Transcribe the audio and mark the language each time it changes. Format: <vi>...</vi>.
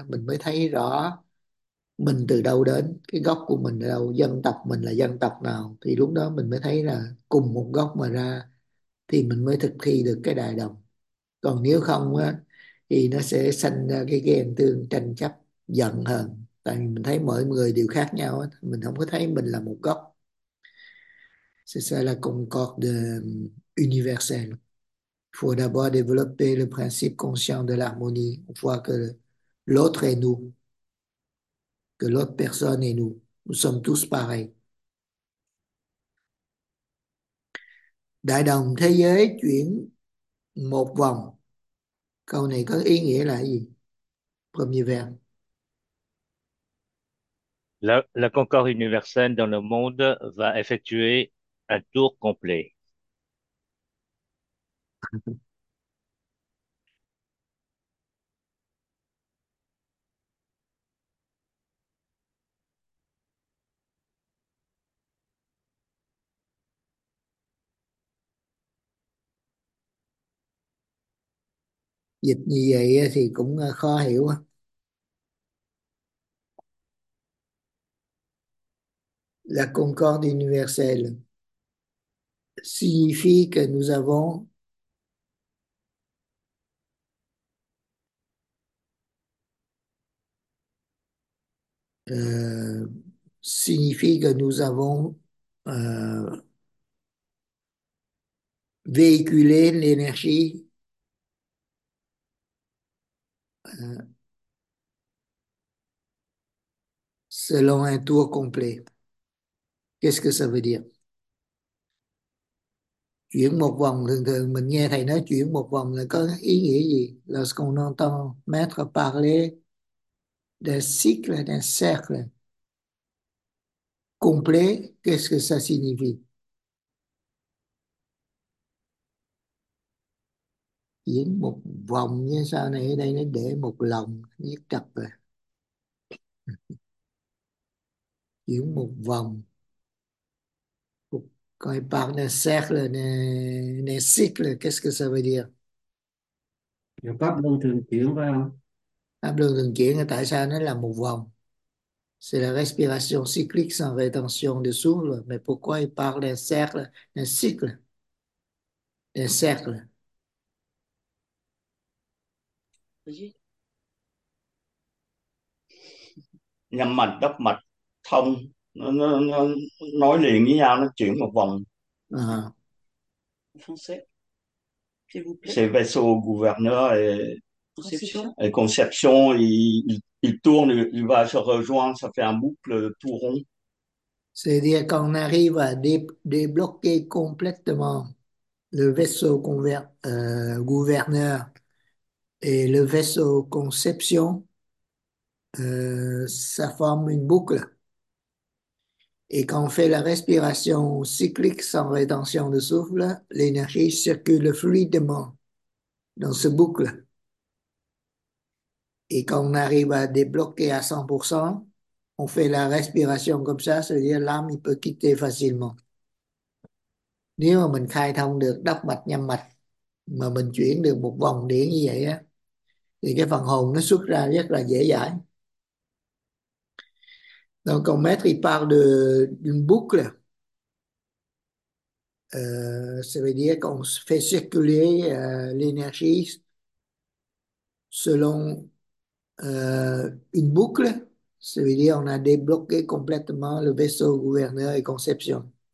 <vi>Mình mới thấy rõ mình từ đâu đến, cái gốc của mình ở đâu, dân tộc mình là dân tộc nào, thì lúc đó mình mới thấy là cùng một gốc mà ra thì mình mới thực thi được cái đại đồng. Còn nếu không á thì nó sẽ sanh ra cái ghen tương, tranh chấp, giận hờn, tại vì mình thấy mọi người đều khác nhau á, mình không có thấy mình là một gốc. Sẽ là</vi> <fr>concorde universelle pour d'abord développer le principe conscient de l'harmonie, on voit que l'autre est nous, que l'autre personne est nous. Nous sommes tous pareils.</fr> <vi>Đại đồng thế giới chuyển một vòng. Câu này có ý nghĩa là gì?</vi> <fr>Premier vers. La concorde universelle dans le monde va effectuer un tour complet.</fr> <vi>Dịch như vậy thì cũng khó hiểu á.</vi> <fr>La concorde universelle signifie que nous avons signifie que nous avons véhiculé l'énergie selon un tour complet. Qu'est-ce que ça veut dire?</fr> <vi>Chuyển một vòng, thường thường mình nghe thầy nói chuyển một vòng là có ý nghĩa gì?</vi> <fr>Lorsqu'on entend maître parler d'un cycle, d'un cercle complet, qu'est-ce que ça signifie?</fr> <vi>Chuyển một vòng như sau này, ở đây nó để một lòng, nhất trật rồi. Chuyển một vòng.</vi> <fr>Quand il parle d'un cercle, d'un cycle, qu'est-ce que ça veut dire?</fr> <vi>Pháp luân thường chuyển phải không? Pháp luân thường chuyển, tại sao nó là một vòng?</vi> <fr>C'est la respiration cyclique sans rétention de souffle. Mais pourquoi il parle d'un cercle, d'un cycle? D'un cercle. Oui.</fr> <vi>Nhâm mạch, đốc mạch, thông, nó nói liền với nhau, nó chuyển một vòng.</vi> <fr>Français. S'il vous plaît. Ces vaisseaux gouverneurs Conception. et conception, il tourne, il va se rejoindre, ça fait un boucle tout rond. C'est-à-dire qu'on arrive à débloquer complètement Le vaisseau gouverneur et le vaisseau conception, ça forme une boucle. Et quand on fait la respiration cyclique sans rétention de souffle, l'énergie circule fluidement dans cette boucle. Et quand on arrive à débloquer à 100%, on fait la respiration comme ça, c'est-à-dire l'âme il peut quitter facilement.</fr> <vi>Nếu mà mình khai thông được đốc mạch nhâm mạch mà mình chuyển được một vòng điện như vậy á thì cái phần hồn nó xuất ra rất là dễ dãi.</vi> <fr>Donc on maître il parle de d'une boucle, ça veut dire qu'on fait circuler l'énergie selon une boucle, ça veut dire on a débloqué complètement le vaisseau gouverneur et conception.</fr>